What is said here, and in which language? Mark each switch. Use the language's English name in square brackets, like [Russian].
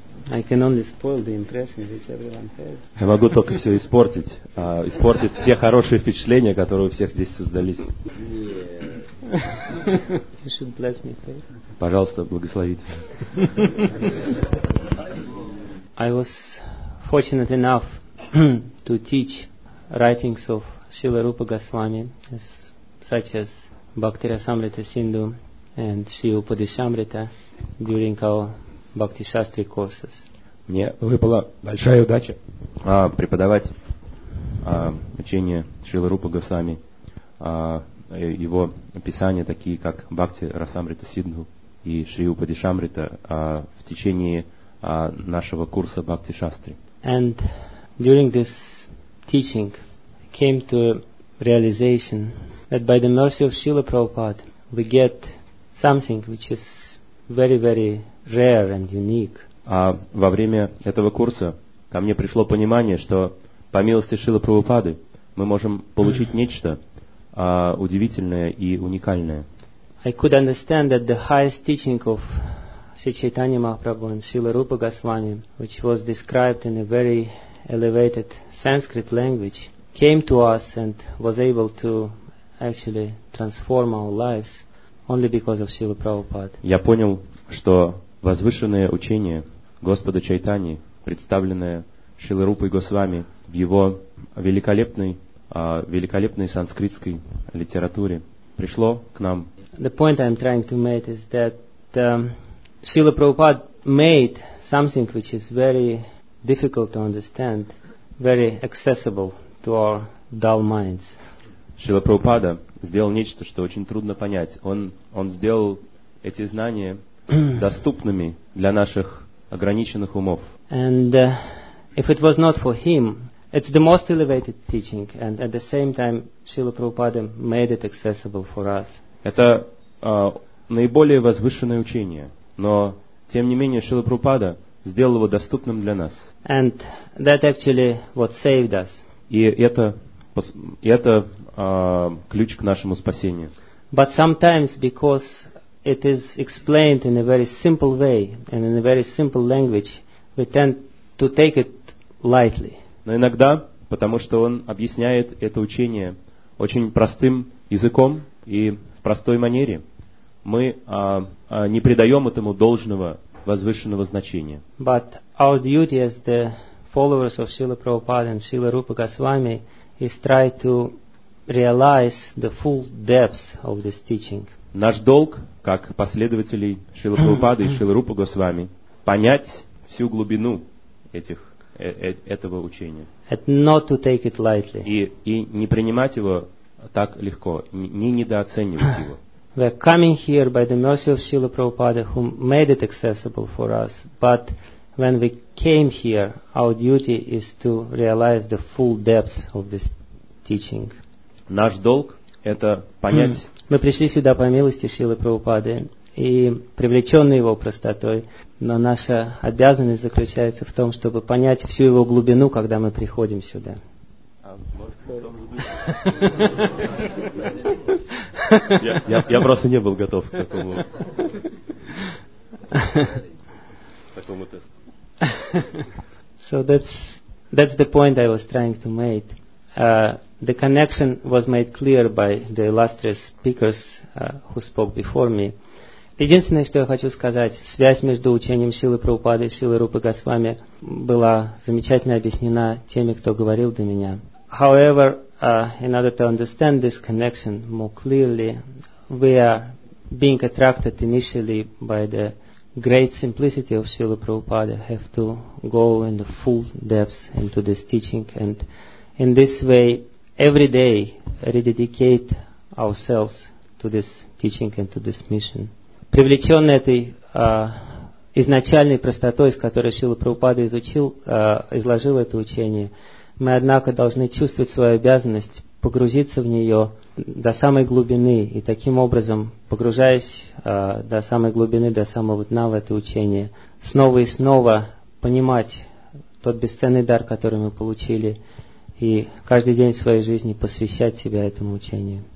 [English] I can only spoil the impression which everyone has. [Russian] Я могу только все испортить те хорошие впечатления, которые у всех здесь создались. [English] You should bless me, please. [Russian] Пожалуйста, благословите. [English] I was fortunate enough to teach writings of Srila Rupa Goswami, such as Bhakti Rasamrita Sindhu and Sri Upadeshamrita during our Bhakti Shastri courses. [Russian] Мне выпала большая удача преподавать учение Шрилы Рупа Госвами, его описания, такие как Бхакти Расамрита Сидху и Шри Упадешамрита, в течение нашего курса Бхакти Шастри. [English] And during this teaching came to a realization that by the mercy of Srila Prabhupada we get something which is very, very rare and unique. [Russian] А во время этого курса ко мне пришло понимание, что по милости Шрилы Прабхупады мы можем получить нечто удивительное и уникальное. [English] I could understand that the highest teaching of Sri Chaitanya Mahaprabhu and Srila Rupa Goswami, which was described in a very elevated Sanskrit language, came to us and was able to actually transform our lives only because of Srila Prabhupada. [Russian] Я понял, что возвышенное учение Господа Чайтани, представленное Шрилой Рупой Госвами в его великолепной, великолепной санскритской литературе, пришло к нам. [English] The point I'm trying to make is that Srila Prabhupada made something which is very difficult to understand, very accessible to our dull minds. [Russian] Шрила Прабхупада сделал нечто, что очень трудно понять. Он сделал эти знания доступными для наших ограниченных умов. [English] And if it was not for him, it's the most elevated teaching, and at the same time, Srila Prabhupada made it accessible for us. [Russian] Это наиболее возвышенное учение, но тем не менее Шрила Прабхупада сделал его доступным для нас. [English] And that actually what saved us. [Russian] И это ключ к нашему спасению. [English] But sometimes because it is explained in a very simple way and in a very simple language, we tend to take it lightly. [Russian] Но иногда, потому что он объясняет это учение очень простым языком и в простой манере, мы не придаем этому должного возвышенного значения. [English] But our duty as the followers of Srila Prabhupada and Srila Rupa Goswami is try to realize the full depth of this teaching. [Russian] Наш долг, как последователей Шрилы Прабхупады и Шрилы Рупы Госвами, понять всю глубину этого учения. [English] And not to take it lightly. [Russian] И не принимать его так легко, не недооценивать его. [English] We are coming here by the mercy of Srila Prabhupada, who made it accessible for us, but when we came here, our duty is to realize the full depth of this teaching. [Russian] Наш долг – это понять. Мы пришли сюда по милости Шрилы Прабхупады и привлеченные его простотой, но наша обязанность заключается в том, чтобы понять всю его глубину, когда мы приходим сюда. Я просто не был готов к такому тесту. [English] So that's the point I was trying to make. The connection was made clear by the illustrious speakers who spoke before me. [Russian] Единственное, что я хочу сказать, связь между учением Шрилы Прабхупады и Шрилы Рупы Госвами была замечательно объяснена теми, кто говорил до меня. [English] However, in order to understand this connection more clearly, we are being attracted initially by the great simplicity of Srila Prabhupada, have to go in the full depth into this teaching, and in this way, every day, rededicate ourselves to this teaching and to this mission. [Russian] Привлеченный этой изначальной простотой, с которой Шрила Прабхупада изложил это учение, мы, однако, должны чувствовать свою обязанность погрузиться в нее до самой глубины, и таким образом, погружаясь до самой глубины, до самого дна в это учение, снова и снова понимать тот бесценный дар, который мы получили, и каждый день своей жизни посвящать себя этому учению.